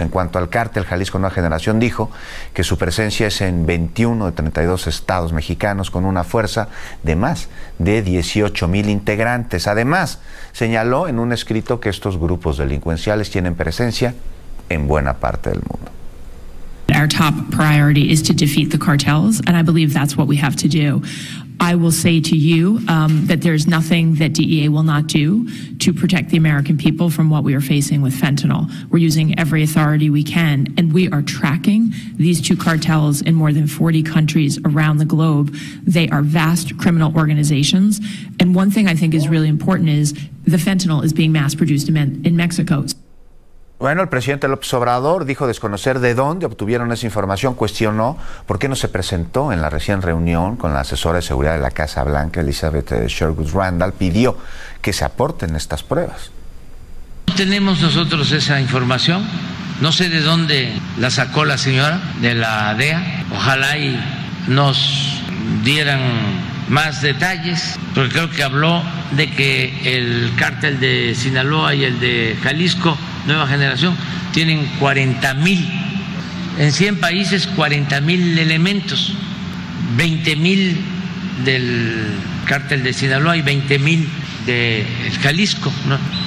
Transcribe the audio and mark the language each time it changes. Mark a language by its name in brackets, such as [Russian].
[Spanish] En cuanto al cártel Jalisco Nueva Generación, dijo que su presencia es en 21 de 32 estados mexicanos, con una fuerza de más de 18 mil integrantes. Además, señaló en un escrito que estos grupos delincuenciales tienen presencia en buena parte del mundo. [English] Our top priority is to defeat the cartels, and I believe that's what we have to do. I will say to you that there's nothing that DEA will not do to protect the American people from what we are facing with fentanyl. We're using every authority we can, and we are tracking these two cartels in more than 40 countries around the globe. They are vast criminal organizations, and one thing I think is really important is the fentanyl is being mass produced in Mexico. [Spanish] Bueno, el presidente López Obrador dijo desconocer de dónde obtuvieron esa información, cuestionó por qué no se presentó en la recién reunión con la asesora de seguridad de la Casa Blanca, Elizabeth Sherwood Randall, pidió que se aporten estas pruebas. No tenemos nosotros esa información, no sé de dónde la sacó la señora de la DEA, ojalá y nos dieran más detalles, porque creo que habló de que el cártel de Sinaloa y el de Jalisco Nueva Generación tienen 40 mil, en 100 países 40 mil elementos, 20 mil del cártel de Sinaloa y 20 mil del Jalisco, ¿no?